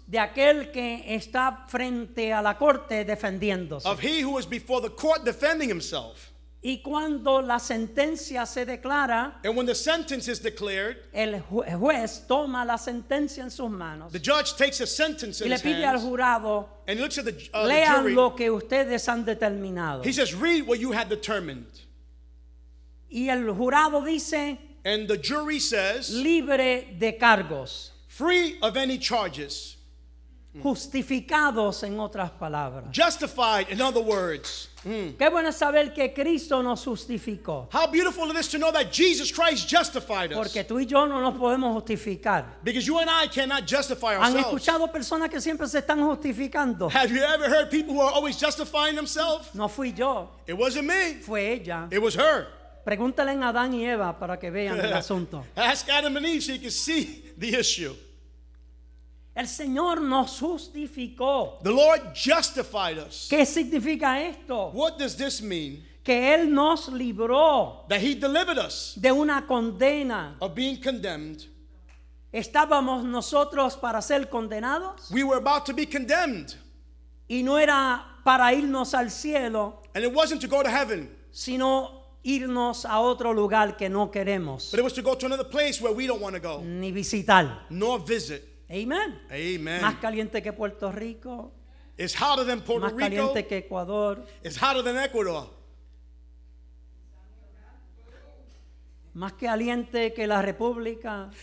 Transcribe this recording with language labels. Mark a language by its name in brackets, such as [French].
[Spanish] de aquel que está frente a la corte defendiéndose, [English] of he who is before the court defending himself. [Spanish] Y cuando la sentencia se declara, [English] and when the sentence is declared, [Spanish] el juez toma la sentencia en sus manos. [English] The judge takes a sentence in his hands. [Spanish] Y le pide al jurado, [English] and he looks at the jury. [Spanish] Lean lo que ustedes han determinado. [English] He says, read what you had determined. [Spanish] Y el jurado dice, [English] and the jury says, [Spanish] libre de cargos. [English] Free of any charges. [Spanish] Justificados, en otras palabras. [English] Justified, in other words. [Spanish] Qué bueno saber que Cristo nos justificó. [English] How beautiful it is to know that Jesus Christ justified us. [Spanish] Porque tú y yo no nos podemos justificar. [English] Because you and I cannot justify ourselves. [Spanish] ¿Han escuchado personas que siempre se están justificando? [English] Have you ever heard people who are always justifying themselves? [Spanish] No fui yo. [English] It wasn't me. [Spanish] Fue ella. [English] It was her. [Spanish] Pregúntale a Adán y Eva para que vean el asunto. [English] Ask Adam and Eve so you can see the issue. [Spanish] El Señor nos justificó. [English] The Lord justified us. [Spanish] ¿Qué significa esto? [English] What does this mean? [Spanish] Que Él nos libró. [English] That He delivered us. [Spanish] De una condena. [English] Of being condemned. [Spanish] ¿Estábamos nosotros para ser condenados? [English] We were about to be condemned. [Spanish] Y no era para irnos al cielo. [English] And it wasn't to go to heaven. [Spanish] Sino irnos a otro lugar que no queremos. [English] But it was to go to another place where we don't want to go. [Spanish] Ni visitar. [English] Nor visit. [Spanish] Amen. [English] Amen. [Spanish] Más caliente que Puerto Rico. [English] It's hotter than Puerto Rico. [Spanish] Más caliente que Ecuador. [English] It's hotter than Ecuador. [Spanish] Más caliente que la República.